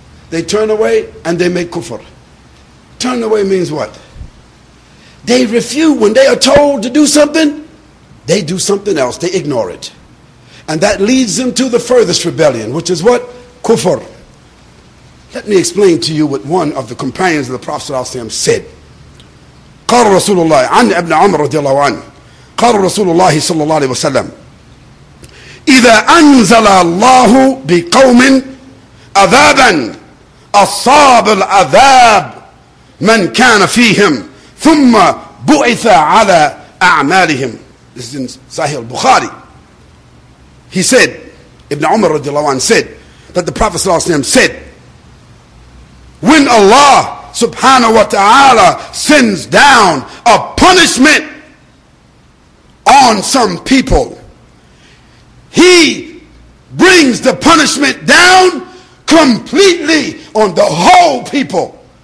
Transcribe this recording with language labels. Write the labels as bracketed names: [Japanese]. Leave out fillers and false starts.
[English] They turn away and they make kufr. Turn away means what? They refuse. When they are told to do something, they do something else. They ignore it. And that leads them to the furthest rebellion, which is what? Kufr. Let me explain to you what one of the companions of the Prophet ﷺ said. [Arabic] قال رسول الله عن ابن عمر رضي الله عنه قال رسول الله صلى الله عليه وسلم إذا أنزل الله بقوم عذابا أصاب العذاب من كان فيهم ثم بعث على أعمالهم. [English] This is in Sahih al-Bukhari. He said, Ibn Umar radiallahu anhu said, that the Prophet sallallahu alayhi wa sallam said, when Allah subhanahu wa ta'ala sends down a punishment on some people, He brings the punishment down completely on the whole people.